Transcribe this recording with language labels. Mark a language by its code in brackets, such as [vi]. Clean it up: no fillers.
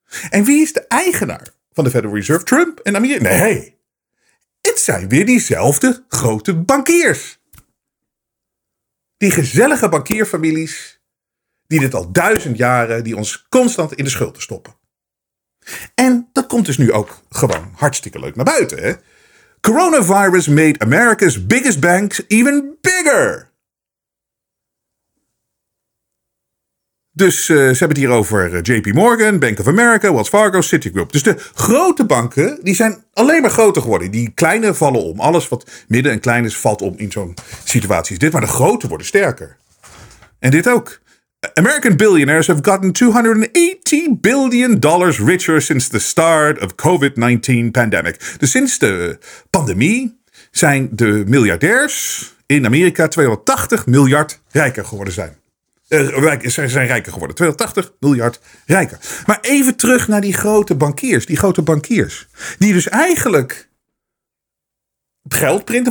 [nl] En wie is de eigenaar van de Federal Reserve? Trump en Amerika? Nee, het zijn weer diezelfde grote bankiers. Die gezellige bankierfamilies die dit al 1000 jaren, die ons constant in de schulden stoppen. En dat komt dus nu ook gewoon hartstikke leuk naar buiten. Hè? [en] Coronavirus made America's biggest banks even bigger. [nl] Dus ze hebben het hier over JP Morgan, Bank of America, Wells Fargo, Citigroup. Dus de grote banken die zijn alleen maar groter geworden. Die kleine vallen om. Alles wat midden en klein is valt om in zo'n situatie als dit. Maar de grote worden sterker. En dit ook. [en] American billionaires have gotten $280 billion richer since the start of COVID-19 pandemic. [nl] Dus sinds de pandemie zijn de miljardairs in Amerika 280 miljard rijker geworden zijn. Zijn rijker geworden. 280 miljard rijker. Maar even terug naar die grote bankiers. Die dus eigenlijk het geld printen.